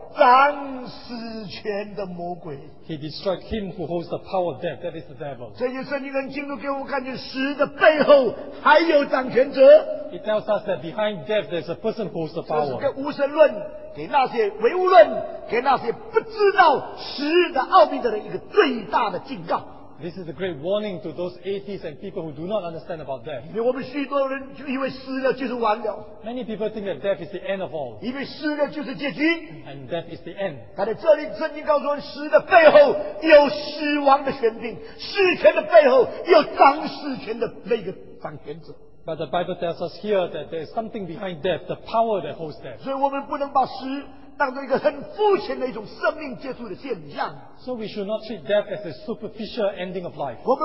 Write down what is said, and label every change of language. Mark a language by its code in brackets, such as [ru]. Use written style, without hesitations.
[en] he destroyed him who holds the power of death, that is the devil. [zh] 这些圣经人进入给我们看见, 死的背后还有掌权者, [en] it tells us that behind death there's a person who holds the power. [zh] 这是个无神论, 给那些唯物论, 给那些不知道死的奥秘的人一个最大的警告。 [en] This is a great warning to those atheists and people who do not understand about death. Many people think that death is the end of all. And death is the end. [zh] 但是这里圣经告诉我们,死的背后有死亡的权柄,死权的背后有掌死权的那个掌权者。 [en] But the Bible tells us here that there is something behind death, the power that holds death. [zh] 所以我们不能把死 [en] So we should not treat death as a superficial ending of life.